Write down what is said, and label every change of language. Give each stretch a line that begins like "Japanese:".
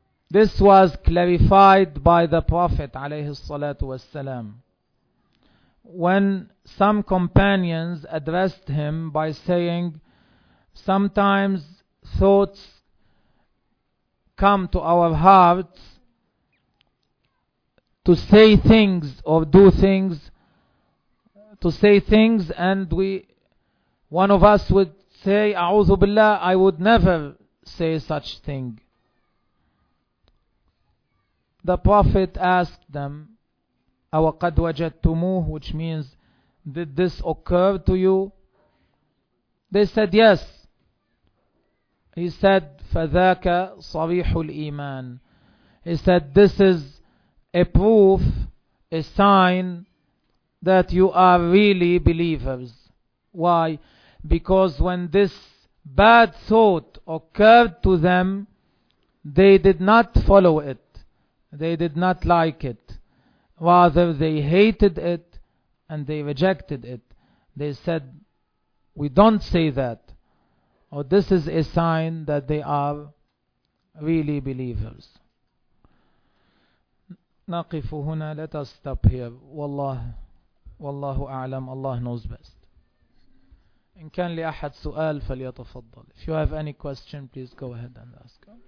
English: This was clarified by the Prophet
Arabic: عليه الصلاة والسلام
English: when some companions addressed him by saying, sometimes thoughts come to our hearts to say things or do things, to say things, and we, one of us would say, أعوذ بالله, I would never say such thing. The Prophet asked them,
Arabic: أَوَقَدْ وَجَدْتُمُوهُ,
English: which means, did this occur to you? They said, yes. He said,
Arabic: فَذَاكَ صَرِيحُ الْإِيمَانِ.
English: He said, this is a proof, a sign, that you are really believers. Why? Because when this bad thought occurred to them, they did not follow it. They did not like it. Rather, they hated it and they rejected it. They said, we don't say that. Or this is a sign that they are really believers.
Arabic: نقف هنا.
English: Let us stop here.
Arabic: والله والله أعلم.
English: Allah knows best.
Arabic: إن كان لأحد سؤال فليتفضل.
English: If you have any question, please go ahead and ask.